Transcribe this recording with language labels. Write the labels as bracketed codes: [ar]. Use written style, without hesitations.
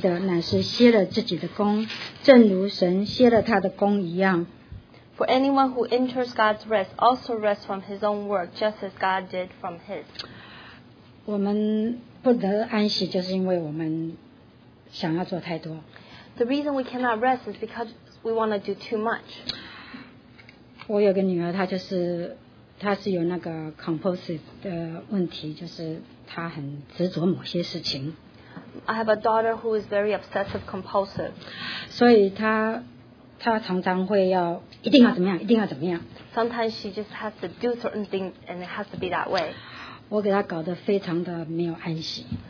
[zh] 因为那进入安息的乃是歇了自己的功, 正如神歇了他的功一样。 [en] For anyone who enters God's rest also rests from his own work, just as God did from his. [zh] 我们不得安息就是因为我们 [en] The reason we cannot rest is because we want to do too much. [zh] 我有个女儿,她是有那个 compulsive 的问题, 就是她很执着某些事情。 [en] I have a daughter who is very obsessive compulsive. [zh] 所以她常常会要一定要怎么样,一定要怎么样。 [en] Sometimes she just has to do certain things and it has to be that way. [zh] 我给她搞得非常的没有安息。